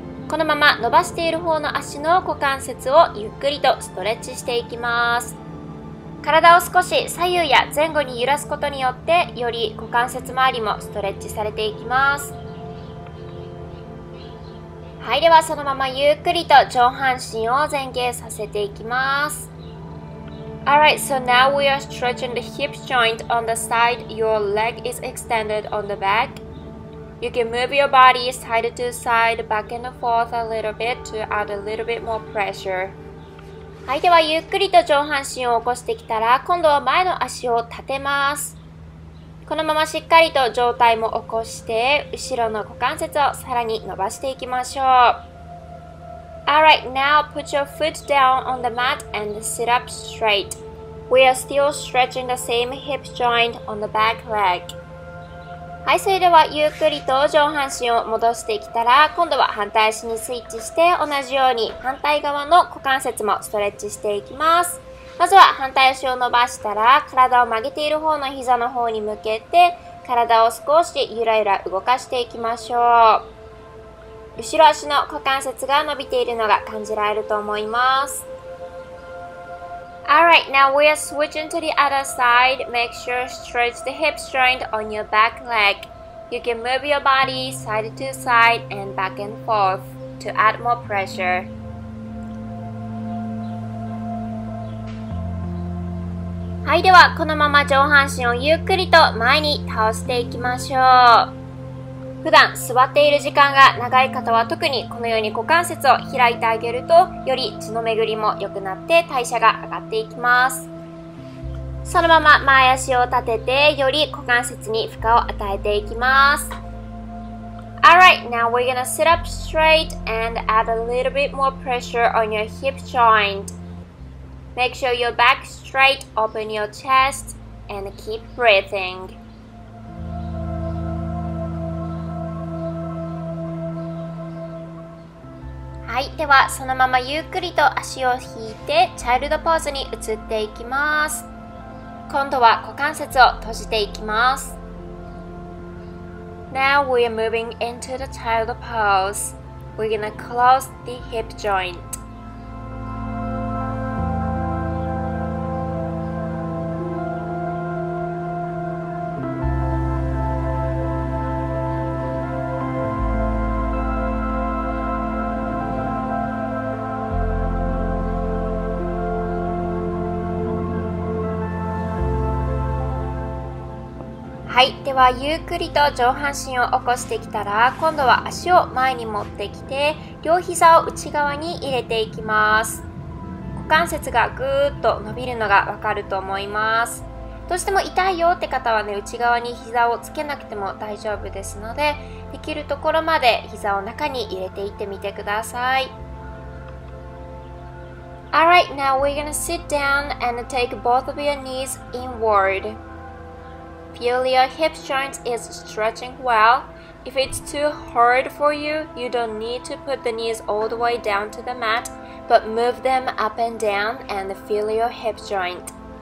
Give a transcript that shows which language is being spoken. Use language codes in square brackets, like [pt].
[ja] このまま伸ばしている方の足の股関節をゆっくりとストレッチしていきます。体を少し左右や前後に揺らすことによって、より股関節周りもストレッチされていきます。はい、ではそのままゆっくりと上半身を前傾させていきます。 [en] Alright, so now we are stretching the hip joint on the side. Your leg is extended on the back. You can move your body side to side, back and forth a little bit to add a little bit more pressure. [ja] はい、ではゆっくりと上半身を起こしてきたら、今度は前の足を立てます。このまましっかりと上体も起こして、後ろの股関節をさらに伸ばしていきましょう。 [en] Alright, now put your foot down on the mat and sit up straight. We are still stretching the same hip joint on the back leg. [ja] はい、それではゆっくりと上半身を戻してきたら、今度は反対足にスイッチして、同じように反対側の股関節もストレッチしていきます。まずは反対足を伸ばしたら、体を曲げている方の膝の方に向けて、体を少しゆらゆら動かしていきましょう。後ろ足の股関節が伸びているのが感じられると思います。 [en] Alright, now we are switching to the other side. Make sure stretch the hip joint on your back leg. You can move your body side to side and back and forth to add more pressure. [ja] はい、ではこのまま上半身をゆっくりと前に倒していきましょう。普段座っている時間が長い方は、特にこのように股関節を開いてあげると、より血の巡りも良くなって代謝が上がっていきます。そのまま前足を立てて、より股関節に負荷を与えていきます。 [en] Alright, now we're gonna sit up straight and add a little bit more pressure on your hip jointMake sure your back straight, open your chest, and keep breathing. [ja] はい、ではそのままゆっくりと足を引いて、チャイルドポーズに移っていきます。今度は股関節を閉じていきます。 [en] Now we are moving into the child pose. We're gonna close the hip joint. [ja] はい、ではゆっくりと上半身を起こしてきたら、今度は足を前に持ってきて、両膝を内側に入れていきます。股関節がぐーっと伸びるのがわかると思います。どうしても痛いよって方はね、内側に膝をつけなくても大丈夫ですので、できるところまで膝を中に入れていってみてください。 [en] Alright, now we're gonna sit down and take both of your knees inward. Feel your hip joint is stretching well. If it's too hard for you, you don't need to put the knees all the way down to the mat, but move them up and down and feel your hip joint.